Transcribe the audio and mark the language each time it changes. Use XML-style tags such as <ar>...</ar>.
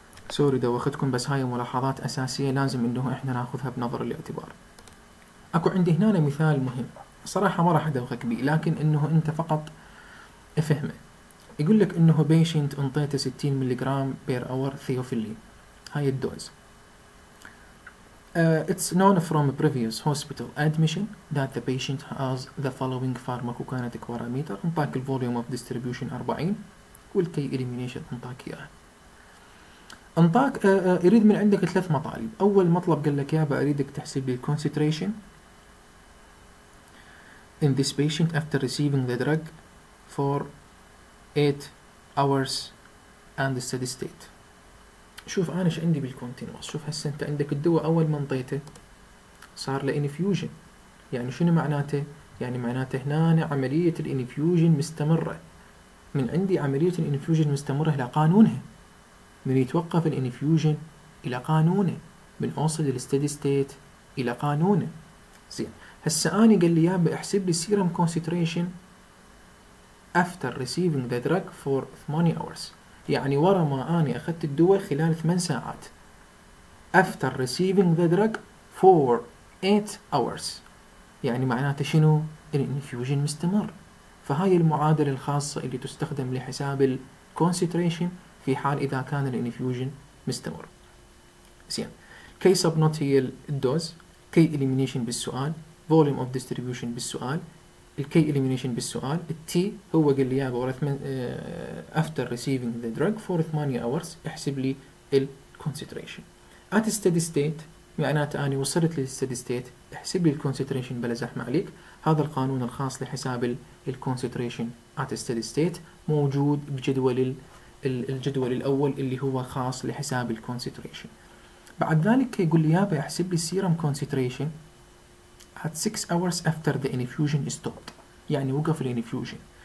<ar>سوري دوختكم، بس هاي ملاحظات أساسية لازم انه احنا ناخذها بنظر الاعتبار. اكو عندي هنا مثال مهم صراحة، ما راح ادوخك بيه لكن انه انت فقط افهمه. يقول لك انه بيشنت انطيته 60 ملي جرام بير اور ثيوفيلين، هاي الدوز.</ar> <en>It's known from a previous hospital admission that the patient has the following pharmacokinetic parameter.</en> <ar>انطاك ال volume of distribution 40 والK elimination انطاك اياها. انطاك اريد من عندك ثلاث مطالب. اول مطلب قال لك يابا اريدك تحسب لي</ar> <en>concentration in this patient after receiving the drug for 8 hours and the steady state.</en> <ar>شوف انا ايش عندي بالكونتينوس. شوف هسه انت عندك الدواء اول ما انطيته صار له انفيوجن، يعني شنو معناته؟ يعني معناته هنا عمليه الانفيوجن مستمره، من عندي عمليه الانفيوجن مستمره الى قانونها، من يتوقف الانفيوجن الى قانونه، من اوصل للستدي ستيت الى قانونه. زين هسه انا قال لي يابا احسب لي سيرم كونسنتريشن افتر ريسيفينج ذا دراج فور 8 اورز، يعني ورا ما اني اخذت الدواء خلال 8 ساعات.</ar> <en>After receiving the drug for 8 hours</en> <ar>يعني معناته شنو؟ الانفيوجن مستمر. فهاي المعادلة الخاصة اللي تستخدم لحساب الconcentration في حال اذا كان الانفيوجن مستمر. زين K sub not هي الدوز، K elimination بالسؤال، volume of distribution بالسؤال، الكي إليمينيشن بالسؤال، التي هو قال لي يابا</ar> <en>after receiving the drug for 8 hours</en> <ar>احسب لي الكونسنتريشن.</ar> <en>at steady state</en> <ar>معناته اني وصلت للستيدي ستيت، احسب لي الكونسنتريشن بلا زحمه عليك. هذا القانون الخاص لحساب الكونسنتريشن ات ستيدي ستيت موجود بجدول الجدول الاول اللي هو خاص لحساب الكونسنتريشن. بعد ذلك يقول لي يابا احسب لي السيرم كونسنتريشن ات 6 اورز افتر ذا انفيوجن ستوب، يعني وقف الانفيوجن.</ar>